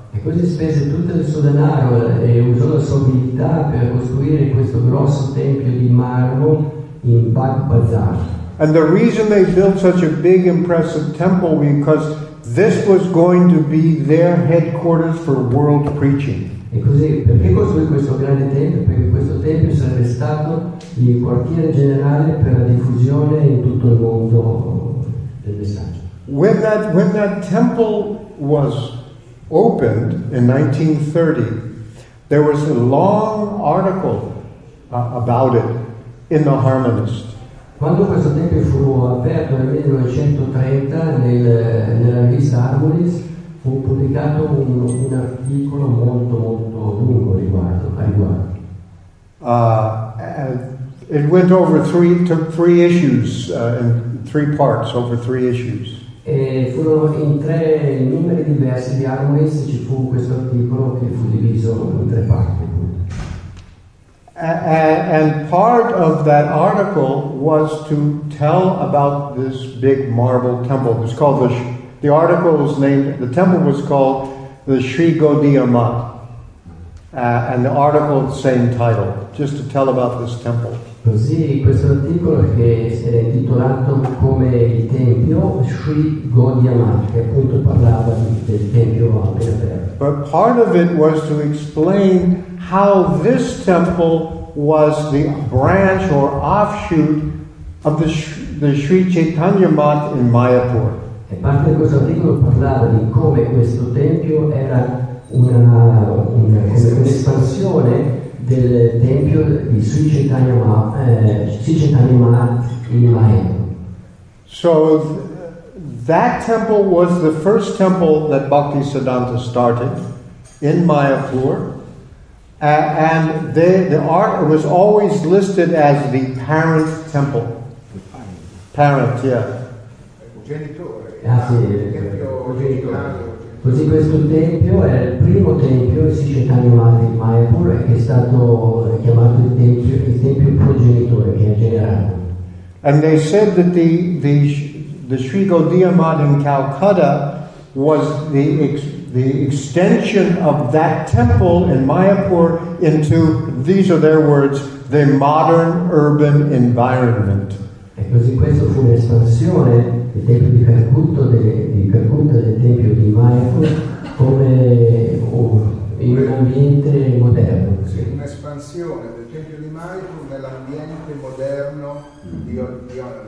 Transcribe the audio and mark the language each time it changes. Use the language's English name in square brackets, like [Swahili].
[Italian] E così spese tutto il suo denaro e usò la sua abilità per costruire questo grosso tempio di marmo in Bagh Bazar. [English] And the reason they built such a big impressive temple because this was going to be their headquarters for world preaching. [Italian] E così perché costruì questo grande tempio? Perché questo tempio sarebbe stato il quartiere generale per la diffusione in tutto il mondo del messaggio. [English] When that temple was opened in 1930, there was a long article about it in the Harmonist. [Italian] Quando questo tempio fu aperto nel 1930 nella rivista Harmonist, fu pubblicato un articolo molto molto lungo riguardo, a riguardo. [English] It went over three issues in three parts over three issues. [Italian] E furono in tre numeri diversi di argomenti, ci fu questo articolo che fu diviso in tre parti. [English] And part of that article was to tell about this big marble temple. It's called the temple was called the Sri Gaudiya Math. And the article, same title, just to tell about this temple. [Italian] Così questo articolo che è intitolato come il tempio Sri Gaudiya Math, che appunto parlava del tempio appena aperto. [English] But part of it was to explain how this temple was the branch or offshoot of the Sri Chaitanya Math in Mayapur. [Italian] E parte di questo articolo parlava di come questo tempio era un'espansione del tempio di Sri Chaitanya Mahaprabhu in Mayapur. [English] So that temple was the first temple that Bhaktisiddhanta started in Mayapur. And the art was always listed as the parent temple. Parent, yeah. [Italian] Così questo tempio è il primo tempio di Chaitanya Mahaprabhu in Mayapur, che è stato chiamato il tempio progenitore, che è generato. [English] And they said that the Sri Gaudiya Math in Calcutta was the extension of that temple in Mayapur into, these are their words, the modern urban environment. [Italian] E così questo fu l'espansione del tempio di Calcutta, del tempio di Mayapur, come in un ambiente moderno. Sì, un'espansione del tempio di Mayapur nell'ambiente moderno di oggi.